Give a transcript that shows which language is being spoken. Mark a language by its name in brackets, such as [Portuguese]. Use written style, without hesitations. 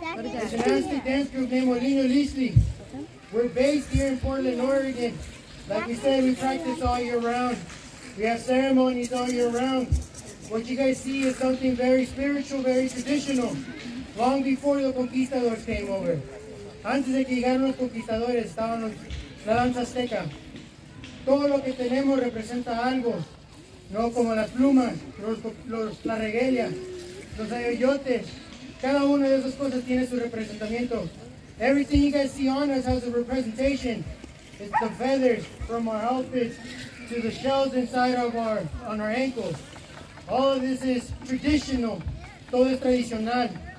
[English] The dynastic dance group named Lino Lisi. We're based here in Portland, Oregon. Like we said, we practice all year round. We have ceremonies all year round. What you guys see is something very spiritual, very traditional, long before the conquistadors came over. [Spanish] Antes de que llegaron los conquistadores, estaban la danza azteca. Todo lo que tenemos representa algo, no como las plumas, la regalia, los ayoyotes. Cada una de esas cosas tiene su representamiento. [English] Everything you guys see on us has a representation. It's the feathers from our outfits to the shells inside of our ankles. All of this is traditional. [Spanish] Todo es tradicional.